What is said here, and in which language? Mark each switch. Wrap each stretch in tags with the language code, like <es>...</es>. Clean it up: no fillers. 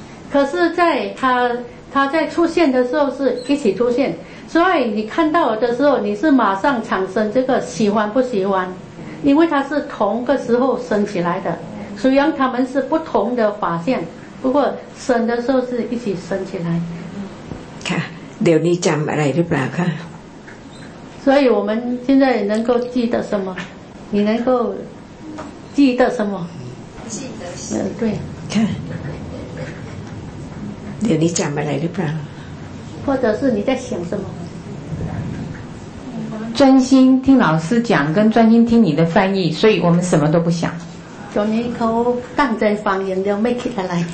<zh>可是在它在出现的时候是一起出现，所以你看到的时候你是马上产生这个喜欢不喜欢，因为它是同个时候生起来的，虽然它们是不同的发现，不过生的时候是一起生起来。</zh> <th>เดี๋ยวนี้จำอะไรหรือเปล่าคะ</th> <zh>所以我们现在能够记得什么你能够记得什么记得对</zh> <th>ค่ะเดี๋ยวนี้จำอะไรหรือเปล่า</th> <zh>或者是你在想什么专心听老师讲跟专心听你的翻译所以我们什么都不想</zh> <th>ตอนนี้เขาตั้งใจฟังอย่างเดียวไม่คิดอะไร</th>